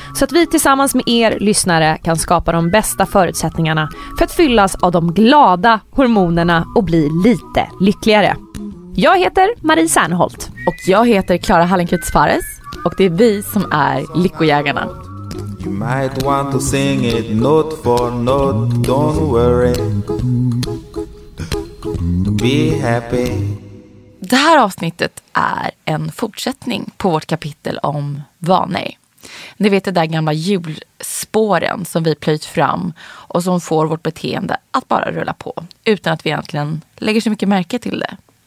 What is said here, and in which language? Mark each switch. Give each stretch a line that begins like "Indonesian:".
Swedish: Så att vi tillsammans med er lyssnare kan skapa de bästa förutsättningarna för att fyllas av de glada hormonerna och bli lite lyckligare. Jag heter Marie Serneholt. Och jag heter Klara Hallenkrutz Fares. Och det är vi som är Lyckojägarna.
English: You might want to sing it note for note, don't worry. Be happy.
Swedish: Det här avsnittet är en fortsättning på vårt kapitel om vanor. Ni vet det där gamla julspåren som vi plöjt fram och som får vårt beteende att bara rulla på utan att vi egentligen lägger så mycket märke till det.